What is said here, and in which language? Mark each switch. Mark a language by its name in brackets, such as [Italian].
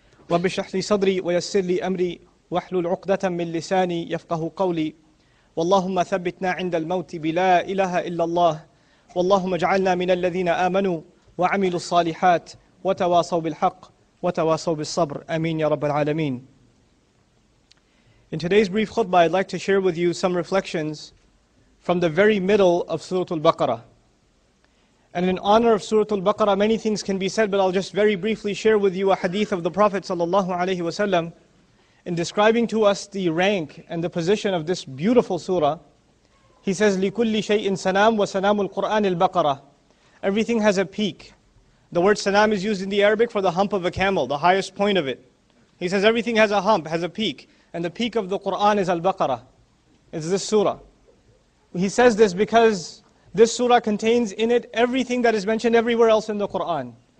[Arabic] رب اشرح لي صدري ويسر لي أمري واحلل عقدة من لساني يفقه قولي واللهم ثبتنا عند الموت بلا إله إلا الله واللهم اجعلنا من الذين آمنوا وعملوا الصالحات وتواصوا بالحق وتواصوا بالصبر آمين يا رب العالمين. [English] In today's brief khutbah, I'd like to share with you some reflections from the very middle of Surah Al-Baqarah. And in honor of Surah Al-Baqarah, many things can be said, but I'll just very briefly share with you a hadith of the Prophet sallallahu alaihi wasallam in describing to us the rank and the position of this beautiful surah. He says, [Arabic] لِكُلِّ شَيْءٍ سَنَامُ وَسَنَامُ الْقُرْآنِ الْبَقَرَةِ. [English] Everything has a peak. The word sanam is used in the Arabic for the hump of a camel, the highest point of it. He says everything has a hump, has a peak. And the peak of the Qur'an is Al-Baqarah. It's this surah. He says this because this surah contains in it everything that is mentioned everywhere else in the Qur'an.